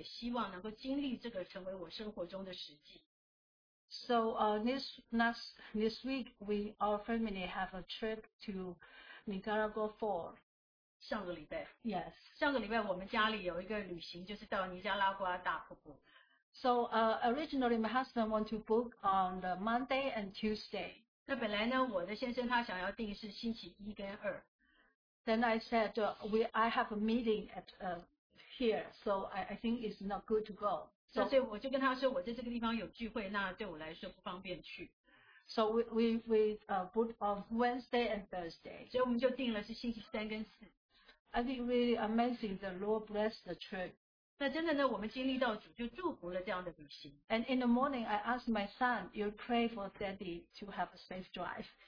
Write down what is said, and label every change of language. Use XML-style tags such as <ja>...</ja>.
<zh>所以呢,在我每天的生活里面呢,我也希望能够经历这个成为我生活中的实际。</zh> <en>So this week we our family have a trip to Nicaragua Fall.</en> <zh>上个礼拜,</zh> <en>yes.</en> <zh>上个礼拜我们家里有一个旅行, 就是到尼加拉瓜大瀑布。</zh> <en>So originally my husband wanted to book on the Monday and Tuesday.</en> <zh>那本来呢, 我的先生他想要定是星期一跟二。</zh> <en>Then I said I have a meeting at here, so I think it's not good to go. So,</en> <zh>所以我就跟他说我在这个地方有聚会，那对我来说不方便去。</zh> <en>So we put on Wednesday and Thursday.</en> <zh>所以我们就定了是星期三跟四。</zh> <en>I think really amazing the Lord blessed the trip.</en> <zh>那真的呢，我们经历到主就祝福了这样的旅行。</zh> <en>And in the morning, I asked my son, "You pray for Daddy to have a safe drive."</en>